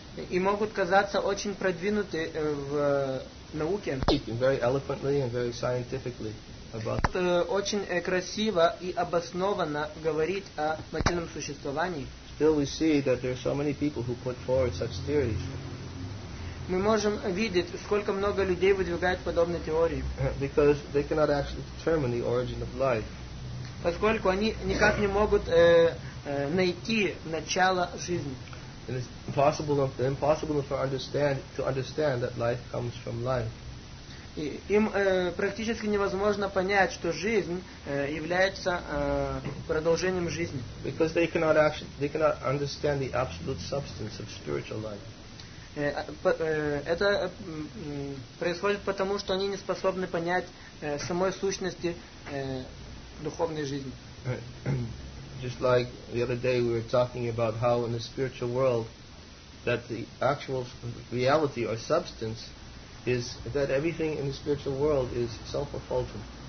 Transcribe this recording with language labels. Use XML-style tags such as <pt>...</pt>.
<ru>и могут казаться очень продвинуты в науке.</ru> <en>Very eloquently and very scientifically about...</en> <ru>Очень красиво и обоснованно говорить о материальном существовании.</ru> <en>Still we see that there are so many people who put forward such theories.</en> <ru>Мы можем видеть, сколько много людей выдвигают подобные теории.</ru> <en>Because they cannot actually determine the origin of life.</en> <ru>Поскольку они никак не могут найти начало жизни.</ru> <en>It is impossible for understand that life comes from life.</en> <ru>Им практически невозможно понять, что жизнь является продолжением жизни.</ru> <en>Because they cannot understand the absolute substance of spiritual life.</en> <ru>Это происходит потому, что они не способны понять самой сущности духовной жизни.</ru> <en>Just like the other day we were talking about how in the spiritual world that the actual reality or substance is that everything in the spiritual world is self-effulgent.</en>